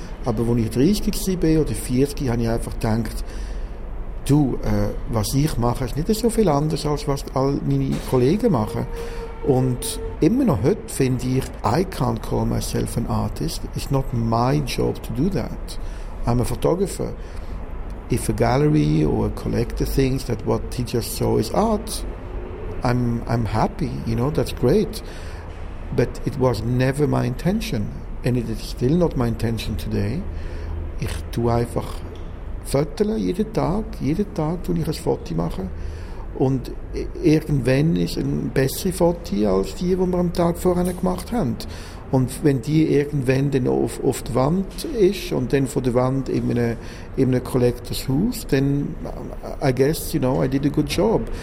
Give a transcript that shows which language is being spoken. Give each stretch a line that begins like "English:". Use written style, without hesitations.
German: Aber als ich 30 war oder 40, habe ich einfach gedacht, du, was ich mache, ist nicht so viel anders, als was all meine Kollegen machen. Und immer noch heute finde ich,
English: I can't call myself an artist. It's not my job to do that. I'm a photographer. If a gallery or a collector thinks that what he just saw is art, I'm happy, you know, that's great. But it was never my intention. And it is still not my intention today.
German: Ich tue einfach Fotos jeden Tag tue ich ein Foto machen. Und irgendwann ist ein besseres Foto als die, die wir am Tag vorher gemacht haben. Und wenn die irgendwann dann auf der Wand ist und dann von der Wand in einem Collectors Haus, dann,
English: I guess, you know, I did a good job.